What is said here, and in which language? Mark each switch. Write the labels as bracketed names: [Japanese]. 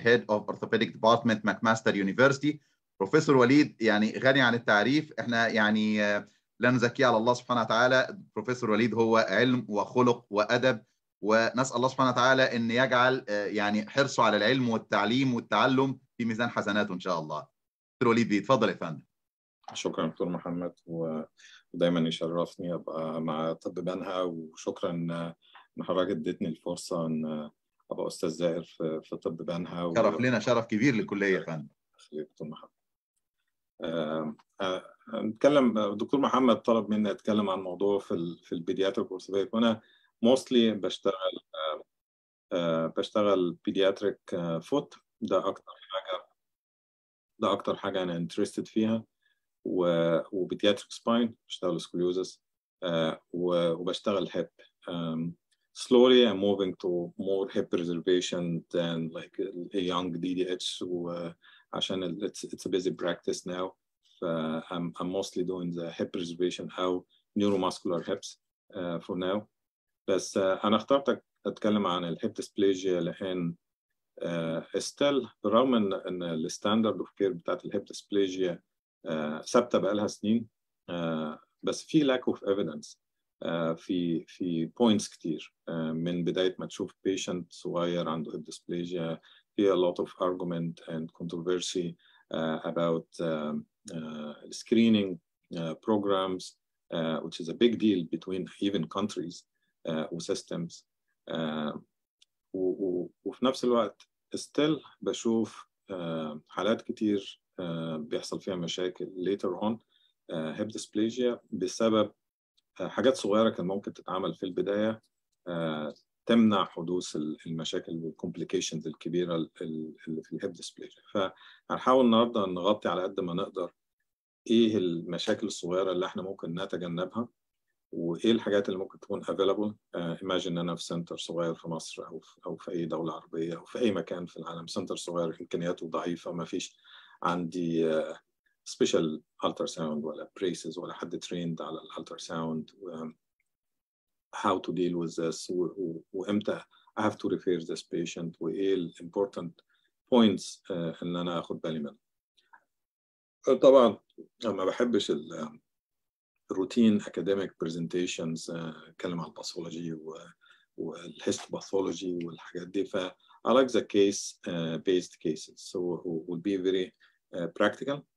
[English] head of orthopedic department McMaster University. [Arabic] Professor Waleed, يعني غني عن التعريف، احنا يعني لا نزكي على الله سبحانه وتعالى، بروفيسور وليد هو علم وخلق وادب، ونسال الله سبحانه وتعالى ان يجعل يعني حرصه على العلم والتعليم والتعلم في ميزان حسناته ان شاء الله. دكتور وليد بيتفضل يا فندم. شكرا دكتور محمد، ودايما يشرفني ابقى مع طب بنها، وشكرا ان حضرتك اديتني الفرصه ان ابقى استاذ زائر في طب بنها. شرف لنا، شرف كبير للكليه يا فندم. خليك دكتور محمد. نتكلم دكتور محمد طلب مني اتكلم عن موضوع في البيدياتريك اورثوبيك، وانا موستلي بشتغل بيدياتريك فوت، ده اكتر حاجه انا انترستد فيها، وبيدياتريك سباين بشتغل سكوليوزس، وبشتغل هيب. [English] Slowly I'm moving to more hip preservation than like a young DDH, [Arabic] عشان [English] it's a busy practice now. I'm mostly doing the hip preservation how neuromuscular hips for now. [Arabic] بس انا اخترت اتكلم عن الهيب ديسبلاجيا لان استيل برغم ان الستاندرد اوف كير بتاعت الهيب ديسبلاجيا ثابته بقالها سنين، بس في [English] lack of evidence [Arabic] في بوينتس كتير. من بدايه ما تشوف بيشنت صغير عنده هيب ديسبلاجيا، في [English] a lot of argument and controversy about screening programs, which is a big deal between even countries or systems. [Arabic] وفي نفس الوقت [English] still [Arabic] بشوف حالات كتير بيحصل فيها مشاكل [English] later on hip dysplasia [Arabic] بسبب حاجات صغيرة كان ممكن تتعامل في البداية تمنع حدوث المشاكل والcomplications الكبيرة اللي في الهيب ديسبلاجيا. فهنحاول النهاردة نغطي على قد ما نقدر إيه المشاكل الصغيرة اللي إحنا ممكن نتجنبها، وإيه الحاجات اللي ممكن تكون available. Imagine أنا في سنتر صغير في مصر أو في أي دولة عربية أو في أي مكان في العالم، سنتر صغير إمكانياته ضعيفة، ما فيش عندي [English] special ultrasound [Arabic] ولا braces ولا حد trained على الultrasound. [English] How to deal with this, [Arabic] وامتى [English] I have to refer this patient, [Arabic] وايه ال [English] important points [Arabic] ان انا اخد بالي منه. طبعا انا ما بحبش ال [English] routine academic presentations، [Arabic] اتكلم على الباثولوجي والهيستوباثولوجي والحاجات دي، ف [English] I like the case based cases, so will be very practical.